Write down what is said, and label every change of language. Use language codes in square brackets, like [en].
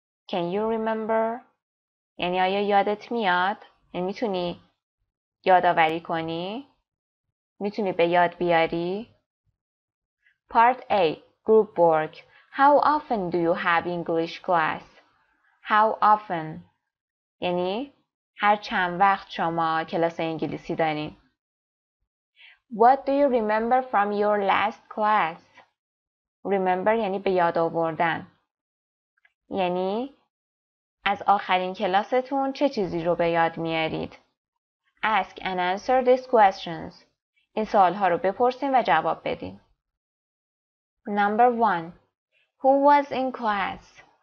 [en] Can you remember؟ [fa] یعنی آیا یادت میاد؟ یعنی میتونی یادآوری کنی؟ میتونی به یاد بیاری؟ [en] Part A Group work. How often do you have English class? How often? [fa] یعنی هر چند وقت شما کلاس انگلیسی دارین. [en] What do you remember from your last class? [fa] Remember یعنی به یاد آوردن. یعنی از آخرین کلاستون چه چیزی رو به یاد میارید؟ [en] Ask and answer these questions. [fa] این سوال ها رو بپرسین و جواب بدین. [en] Number 1. Who was in class?